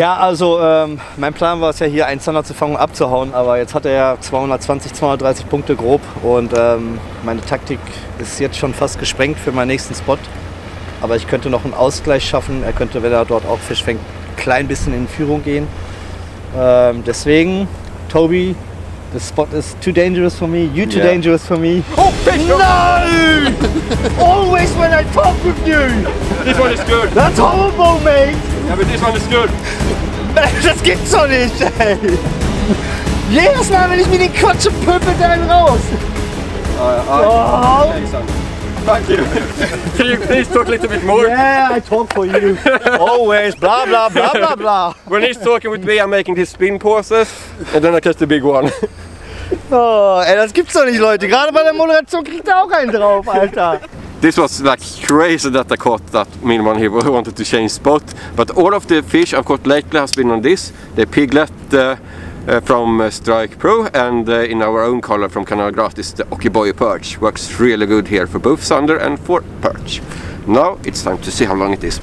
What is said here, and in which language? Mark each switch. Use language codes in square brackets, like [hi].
[de] Ja, also mein Plan war es ja, hier einen Zander zu fangen und abzuhauen, aber jetzt hat er ja 220, 230 Punkte grob und meine Taktik ist jetzt schon fast gesprengt für meinen nächsten Spot. Aber ich könnte noch einen Ausgleich schaffen. Er könnte, wenn er dort auch Fisch fängt, klein bisschen in Führung gehen. Deswegen, [en] Tobi, the spot is too dangerous for me, you too dangerous for me. [de] Oh, Fisch! [en] No! Always when I talk with you! This one is good. That's horrible, mate! Yeah, but this one is good. [de] Das gibt's doch nicht, ey! Jedes Mal, wenn ich mir den Quatsch und pöppe, dann raus! [en] Thank you. Can you please talk a little bit more? Yeah, I talk for you. Always, blah, blah, blah, blah, blah. When he's talking with me, I'm making these spin pauses, and then I catch the big one. [de] Oh, ey, das gibt's doch nicht, Leute. Gerade bei der Moderation kriegt er auch einen drauf, Alter. [en] This was like crazy that I caught that mean one here, who wanted to change spot. But all of the fish I've caught lately has been on this, the piglet from Strike Pro, and in our own color from Canal Gratis, the Okiboy perch. Works really good here for both Sander and for perch. Now it's time to see how long it is.